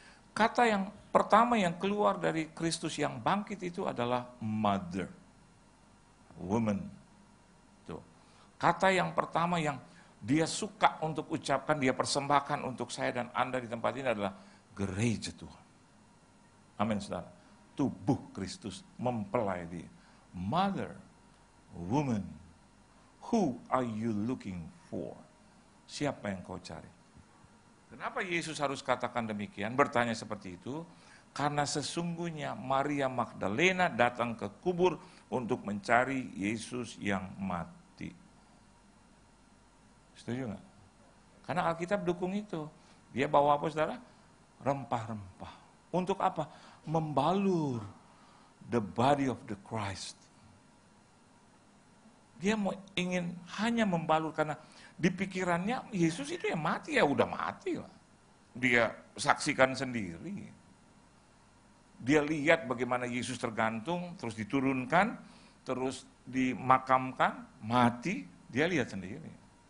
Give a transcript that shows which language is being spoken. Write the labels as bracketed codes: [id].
[id] Kata yang pertama yang keluar dari Kristus yang bangkit itu adalah [en] mother, woman. [id] Tuh. Kata yang pertama yang dia suka untuk ucapkan, dia persembahkan untuk saya dan Anda di tempat ini adalah gereja Tuhan. Amin, saudara. Tubuh Kristus mempelai dia. [en] Mother, woman, who are you looking for? [id] Siapa yang kau cari? Kenapa Yesus harus katakan demikian, bertanya seperti itu? Karena sesungguhnya Maria Magdalena datang ke kubur untuk mencari Yesus yang mati. Setuju gak? Karena Alkitab dukung itu. Dia bawa apa, saudara? Rempah-rempah. Untuk apa? [en] Membalur the body of the Christ. [id] Dia mau ingin hanya membalur karena di pikirannya Yesus itu yang mati, ya udah mati lah. Dia saksikan sendiri. Dia lihat bagaimana Yesus tergantung, terus diturunkan, terus dimakamkan, mati, dia lihat sendiri.